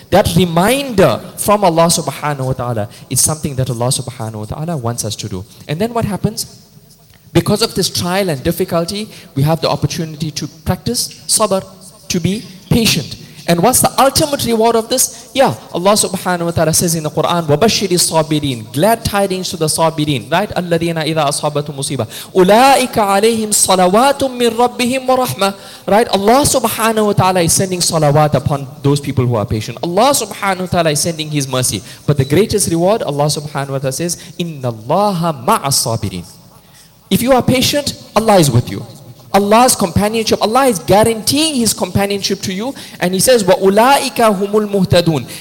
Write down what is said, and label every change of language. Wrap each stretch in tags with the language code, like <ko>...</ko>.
<en>That reminder from Allah subhanahu wa ta'ala is something that Allah subhanahu wa ta'ala wants us to do. And then what happens? Because of this trial and difficulty, we have the opportunity to practice sabr, to be patient. And what's the ultimate reward of this? Yeah, Allah subhanahu wa ta'ala says in the Quran,</en> <ar>وَبَشِّرِ الصَّابِرِينَ</ar> <en>Glad tidings to the sabirin, right?</en> <ar>أَلَّذِينَ إِذَا أَصَابَتُ مُصِيبَةٌ أُولَٰئِكَ عَلَيْهِمْ صَلَوَاتٌ مِّن رَبِّهِمْ وَرَحْمَةٌ Right?</ar> <en>Allah subhanahu wa ta'ala is sending salawat upon those people who are patient. Allah subhanahu wa ta'ala is sending His mercy. But the greatest reward, Allah subhanahu wa ta'ala says,</en> <ar>إِنَّ اللَّهَ مَعَ الصَّابِرِينَ</ar> <en>If you are patient, Allah is with you. Allah's companionship. Allah is guaranteeing His companionship to you, and He says,</en> <ar>وَأُولَٰئِكَ هُمُ الْمُهْتَدُونَ.</ar>